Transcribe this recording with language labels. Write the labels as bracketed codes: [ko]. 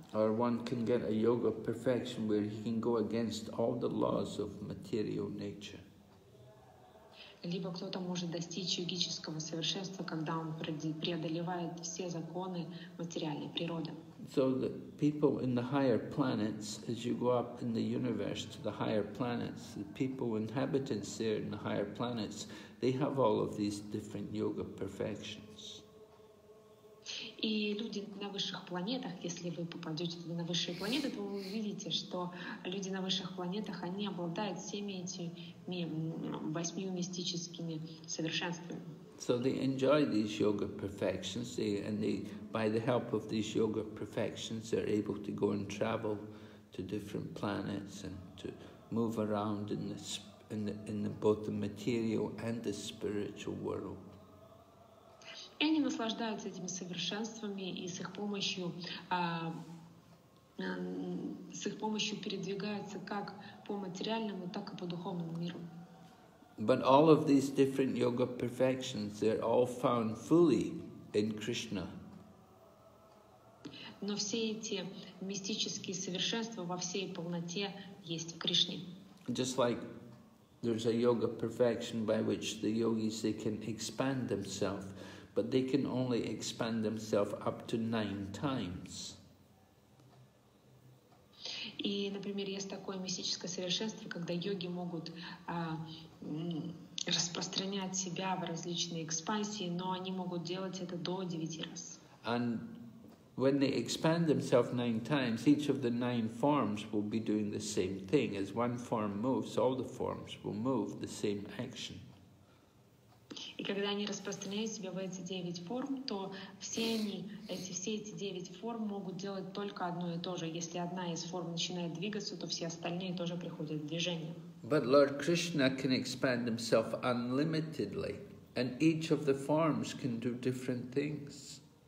[en] Or one can get a yoga perfection where he can go against all the laws of material nature. [ru] Либо кто-то может достичь йогического совершенства, когда он преодолевает все законы материальной природы. [en] So the people in the higher planets, as you go up in the universe to the higher planets, the people inhabitants there in the higher planets, they have all of these different yoga perfections. [ru] И люди на высших планетах, если вы попадете на высшие планеты, то вы увидите, что люди на высших планетах, они обладают всеми этими восьмью мистическими совершенствами. [en] So they enjoy these yoga perfections, and they, by the help of these yoga perfections, they're able to go and travel to different planets and to move around in both the material and the spiritual world. [ru] И они наслаждаются этими совершенствами, и с их помощью передвигаются как по материальному, так и по духовному миру. [en] But all of these different yoga perfections, they're all found fully in Krishna. [ru] Но все эти мистические совершенства во всей полноте есть в Кришне. [en] Just like there's a yoga perfection by which the yogis, they can expand themselves. But they can only expand themselves up to 9 times. [ru] И, например, есть такое мистическое совершенство, когда йоги могут распространять себя в различные экспансии, но они могут делать это до 9 раз. [en] And when they expand themselves 9 times, each of the 9 forms will be doing the same thing. As one form moves, all the forms will move the same action. [ru] И когда они распространяют себя в эти 9 форм, то все эти девять форм могут делать только одно и то же. Если одна из форм начинает двигаться, то все остальные тоже приходят в движение. [en] But Lord Krishna can expand himself unlimitedly, and each of the forms can do different things.